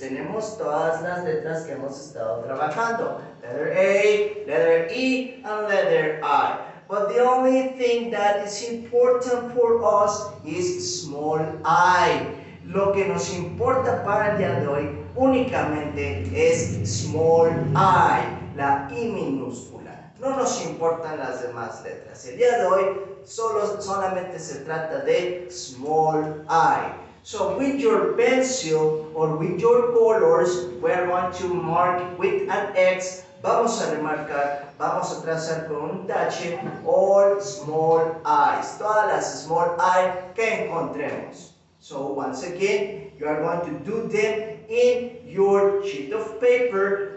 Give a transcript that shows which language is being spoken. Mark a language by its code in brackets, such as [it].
[es] Tenemos todas las letras que hemos estado trabajando. [en] Letter A, letter E, and letter I. But the only thing that is important for us is small I. [es] Lo que nos importa para el día de hoy únicamente es small I, la I minúscula. No nos importan las demás letras. El día de hoy solamente se trata de small I. [en] So with your pencil or with your colors, we are going to mark with an X. [es] Vamos a remarcar, vamos a trazar con un tache [en] all small I's, [es] todas las small I que encontremos. [en] So once again, you are going to do them in your sheet of paper.